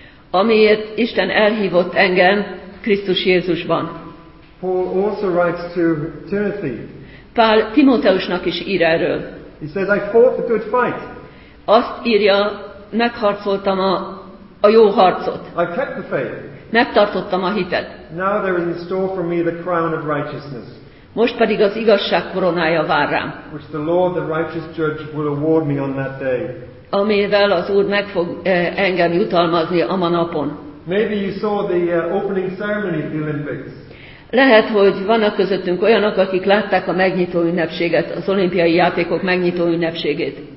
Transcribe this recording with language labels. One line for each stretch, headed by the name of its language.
Hungarian: Amiért Isten elhívott engem Krisztus Jézusban.
English: Paul also writes to Timothy.
Hungarian: Pál Timóteusnak is ír erről.
English: He says, I fought the good fight.
Hungarian: Azt írja, megharcoltam a jó harcot.
English: I kept the faith.
Hungarian: Megtartottam a hitet.
English: Now there is in store for me the crown of righteousness.
Hungarian: Most pedig az igazság koronája vár rám.
English: Which the Lord, the righteous judge, will award me on that day.
Hungarian: Amivel az Úr meg fog engem jutalmazni a ma napon.
English: Maybe you saw the opening ceremony of the Olympics.
Hungarian: Lehet, hogy vannak közöttünk olyanok, akik látták a megnyitó ünnepséget, az olimpiai játékok megnyitó ünnepségét.